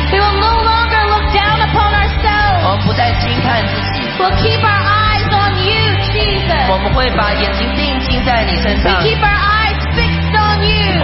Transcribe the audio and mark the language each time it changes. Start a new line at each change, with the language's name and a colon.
English: We will no longer look down upon ourselves.
Chinese: 我们不再轻看自己。
English: We'll keep our eyes on you, Jesus.
Chinese: 我们会把眼睛定睛在你身上。
English: We keep our eyes fixed on you.